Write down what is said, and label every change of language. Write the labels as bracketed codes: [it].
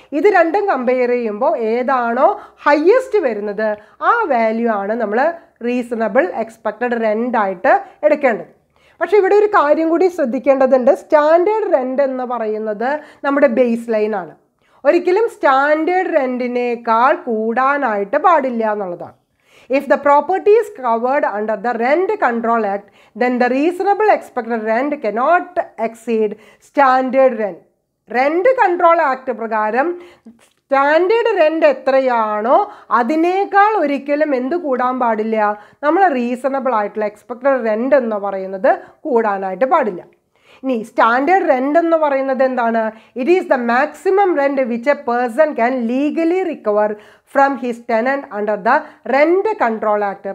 [ml] ഇത് രണ്ടും കമ്പയർ ചെയ്യുമ്പോൾ ഏതാണോ ഹയ്യസ്റ്റ് വരുന്നത് ആ വാല്യൂ ആണ് നമ്മൾ റീസണബിൾ എക്സ്പെക്റ്റഡ് റെൻറ്റായിട്ട് എടുക്കേണ്ടത്. പക്ഷേ ഇവിടെ ഒരു കാര്യം കൂടി ശ്രദ്ധിക്കേണ്ടതുണ്ട്, സ്റ്റാൻഡേർഡ് റെൻറ്റ് എന്ന് പറയുന്നത് നമ്മുടെ ബേസ് ലൈനാണ്. ഒരിക്കലും സ്റ്റാൻഡേർഡ് റെൻറ്റിനേക്കാൾ കൂടാനായിട്ട് പാടില്ല എന്നുള്ളതാണ്. [en] If the property is covered under the Rent Control Act, then the reasonable expected rent cannot exceed standard rent. [ml] Rent control act പ്രകാരം സ്റ്റാൻഡേർഡ് റെൻ്റ് എത്രയാണോ അതിനേക്കാൾ ഒരിക്കലും എന്ത് കൂടാൻ പാടില്ല, നമ്മൾ റീസണബിൾ ആയിട്ടുള്ള എക്സ്പെക്റ്റഡ് റെൻ്റ് എന്ന് പറയുന്നത് കൂടാനായിട്ട് പാടില്ല. ഇനി സ്റ്റാൻഡേർഡ് റെൻ്റ് എന്ന് പറയുന്നത് എന്താണ്? [en] It is the maximum rent which a person can legally recover from his tenant under the rent control act.